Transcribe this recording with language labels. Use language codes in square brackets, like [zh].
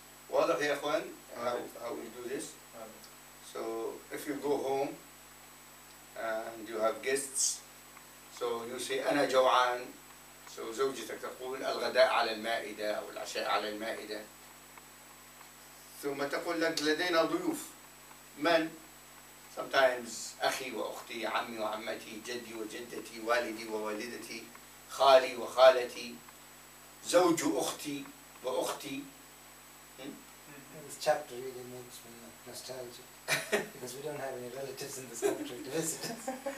[ar] واضح يا اخوان [en] how we do this. So if you go home and you have guests, so you say [ar] أنا جوعان. So زوجتك تقول الغداء على المائدة أو العشاء على المائدة. ثم تقول لك لدينا ضيوف. من؟ Sometimes أخي وأختي، عمي وعمتي، جدي وجدتي، والدي ووالدتي، خالي وخالتي، زوج أختي وأختي. [en] chapter really makes me nostalgic because we don't have any relatives in this country to visit us.